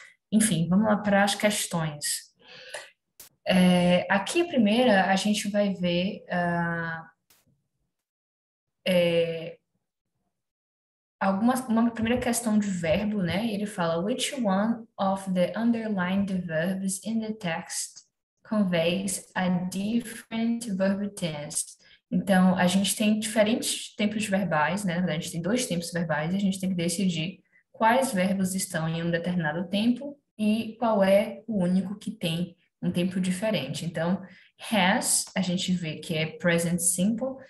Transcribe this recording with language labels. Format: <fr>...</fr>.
<pt>Enfim, vamos lá para as questões. Aqui, a primeira, a gente vai ver uma primeira questão de verbo, né? Ele fala:</pt> <en>Which one of the underlined verbs in the text conveys a different verb tense?</en> <pt>Então, a gente tem diferentes tempos verbais, né? Na verdade, a gente tem dois tempos verbais e a gente tem que decidir quais verbos estão em um determinado tempo e qual é o único que tem um tempo diferente. Então, has, a gente vê que é present simple.</pt>